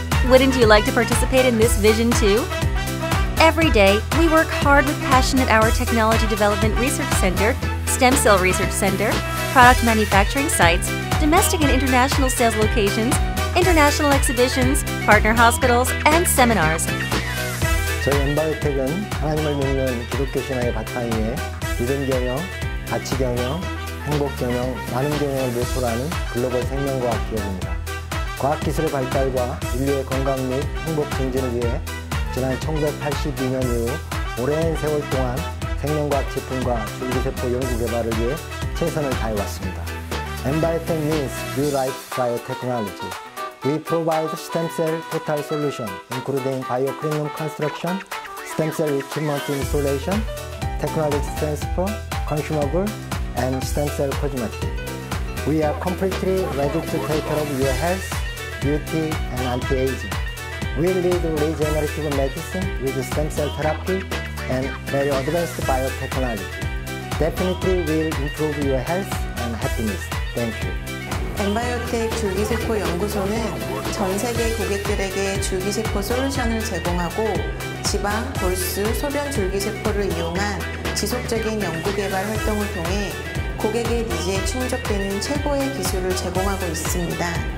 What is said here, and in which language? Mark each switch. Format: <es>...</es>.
<en>Wouldn't you like to participate in this vision too? Every day, we work hard with passion at our Technology Development Research Center, Stem Cell Research Center, product manufacturing sites, domestic and international sales locations, international exhibitions, partner hospitals, and seminars.</en> <ko>저희 N-BIOTEK은 하나님을 믿는 기독교 신앙의 바탕 위에 믿음 경영, 가치 경영, 행복 경영, 많은 경영을 목표로하는 글로벌 생명과학 기업입니다. 과학기술의 발달과 인류의 건강 및 행복 증진을 위해 지난 1982년 이후 오랜 세월 동안 생명과학 제품과 줄기세포 연구 개발을 위해 최선을 다해왔습니다.</ko> <en>N-BIOTEK means New Life Biotechnology. We provide stem cell total solution, including biocrinium construction, stem cell equipment installation, technology transfer, consumable, and stem cell cosmetic. We are completely ready to take care of your health, beauty, and anti-aging. We lead regenerative medicine with stem cell therapy and very advanced biotechnology. Definitely will improve your health and happiness. Thank you.</en> <ko>N-BIOTEK 줄기세포 연구소는 전 세계 고객들에게 줄기세포 솔루션을 제공하고 지방, 골수, 소변 줄기세포를 이용한 지속적인 연구개발 활동을 통해 고객의 니즈에 충족되는 최고의 기술을 제공하고 있습니다.</ko>